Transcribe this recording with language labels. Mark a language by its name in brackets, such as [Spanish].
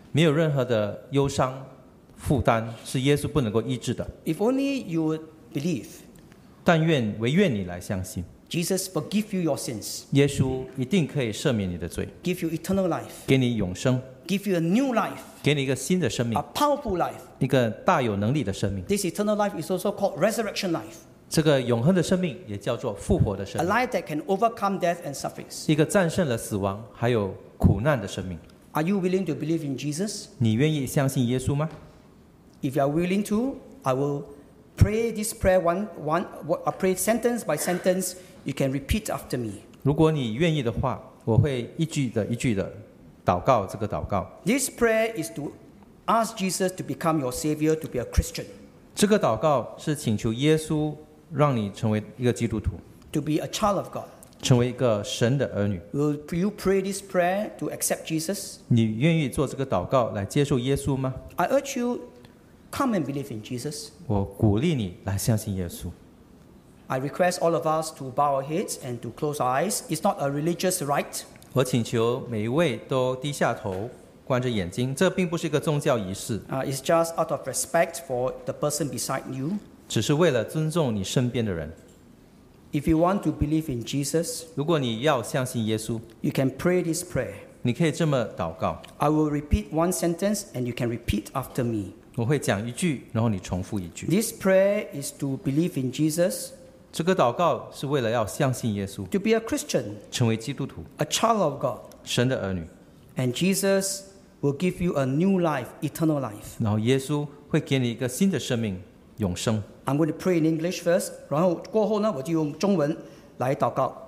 [Chinese] 没有任何的忧伤负担是耶稣不能够医治的。 [English] If only you believe. [Chinese] 但愿唯愿你来相信。 [English] Jesus forgive you your sins. [Chinese] 耶稣一定可以赦免你的罪。 [English] Give you eternal life. [Chinese] 给你永生。 [English] Give you a new life. [Chinese] 给你一个新的生命。 [English] A powerful life. [Chinese] 一个大有能力的生命。 [English] This eternal life is also called resurrection life. [Chinese] 这个永恒的生命也叫做复活的生命。 [English] A life that can overcome death and suffering. [Chinese] 一个战胜了死亡还有苦难的生命。 [English] Are you willing to believe in Jesus? [Chinese] 你愿意相信耶稣吗？ [English] If you are willing to, I will pray this prayer I pray sentence by sentence. You can repeat after me. [Chinese] 如果你愿意的话，我会一句的一句的祷告这个祷告。 [English] This prayer is to ask Jesus to become your savior, to be a Christian. [Chinese] 这个祷告是请求耶稣让你成为一个基督徒。 [English] To be a child of God. [Chinese] 成为一个神的儿女。 [English] Will you pray this prayer to accept Jesus? [Chinese] 你愿意做这个祷告来接受耶稣吗 [English] ？I urge you. Come and believe in Jesus. [Chinese] 我鼓励你来相信耶稣。 [English] I request all of us to bow our heads and to close our eyes. It's not a religious rite. [Chinese] 我请求每一位都低下头，关着眼睛。这并不是一个宗教仪式。 [English] It's just out of respect for the person beside you. [Chinese] 只是为了尊重你身边的人。 [English] If you want to believe in Jesus, [Chinese] 如果你要相信耶稣 [English] you can pray this prayer. [Chinese] 你可以这么祷告。 [English] I will repeat one sentence, and you can repeat after me. [Chinese] 我会讲一句，然后你重复一句。 [English] This prayer is to believe in Jesus. [Chinese] 这个祷告是为了要相信耶稣。 [English] To be a Christian. [Chinese] 成为基督徒。 [English] A child of God. [Chinese] 神的儿女。 [English] And Jesus will give you a new life, eternal life. [Chinese] 然后耶稣会给你一个新的生命，永生。 [English] I'm going to pray in English first. [Chinese] 然后过后呢，我就用中文来祷告。